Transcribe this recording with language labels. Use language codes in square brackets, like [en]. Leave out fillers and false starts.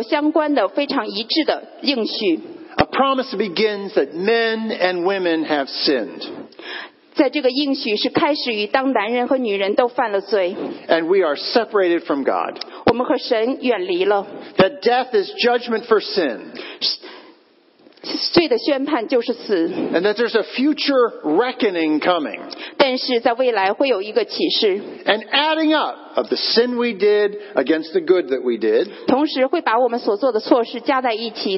[zh] 我们在圣经中会找到所有和神的话语所相关的非常一致的应许。 [en] A promise begins that men and women have sinned. [zh] 在这个应许是开始于当男人和女人都犯了罪。 [en] And we are separated from God. [zh] 我们和神远离了。 [en] That death is judgment for sin. [zh] 罪的宣判就是死, [en] and that there's a future reckoning coming. And adding up of the sin we did against the good that we did. [zh] 同时会把我们所做的错事加在一起,